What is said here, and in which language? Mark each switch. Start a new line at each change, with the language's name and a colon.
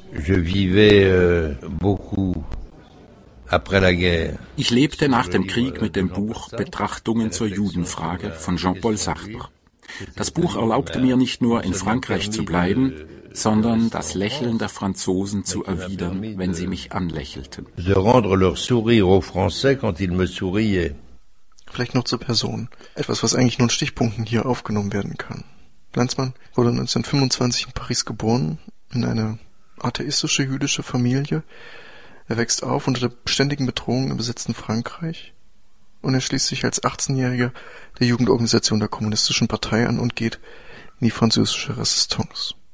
French: Je vivais beaucoup après la guerre.
German: Ich lebte nach dem Krieg mit dem Buch Betrachtungen zur Judenfrage von Jean-Paul Sartre. Das Buch erlaubte mir nicht nur in Frankreich zu bleiben, sondern das Lächeln der Franzosen zu erwidern, wenn sie mich anlächelten.
French: De rendre leur sourire aux Français quand ils me souriaient.
German: Vielleicht noch zur Person. Etwas, was eigentlich nur in Stichpunkten hier aufgenommen werden kann. Landsmann wurde 1925 in Paris geboren, in eine atheistische jüdische Familie. Er wächst auf unter der ständigen Bedrohung im besetzten Frankreich. Und er schließt sich als 18-Jähriger der Jugendorganisation der Kommunistischen Partei an und geht in die französische Resistance.